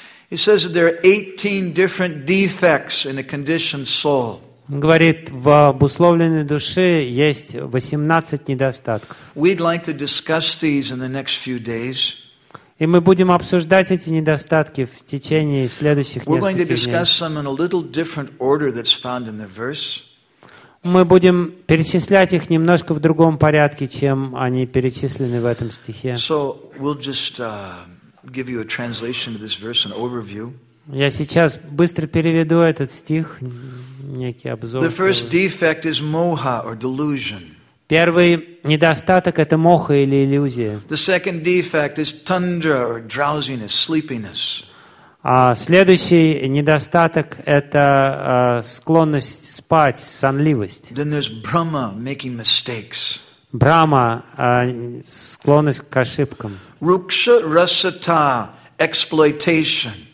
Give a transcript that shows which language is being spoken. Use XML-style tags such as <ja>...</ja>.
<en>He says that there are 18 different defects in a conditioned soul.</en> <ru>Говорит, в обусловленной душе есть 18 недостатков.</ru> <en>We'd like to discuss these in the next few days.</en> <ru>И мы будем обсуждать эти недостатки в течение следующих нескольких дней.</ru> <en>We're going to discuss them in a little different order that's found in the verse.</en> <ru>мы будем перечислять их немножко в другом порядке, чем они перечислены в этом стихе.</ru> <en>So we'll just give you a translation of this verse, an overview.</en> <ru>Я сейчас быстро переведу этот стих, некий обзор.</ru> <en>The first defect is moha or delusion.</en> <ru>Первый недостаток – это моха или иллюзия.</ru> <en>The second defect is tundra or drowsiness, sleepiness.</en> <ru>Следующий недостаток – это склонность спать, сонливость.</ru> <en>Then there's Brahma making mistakes.</en> <ru>Брама – склонность к ошибкам.</ru> <en>Rukṣa rasata – exploitation.</en>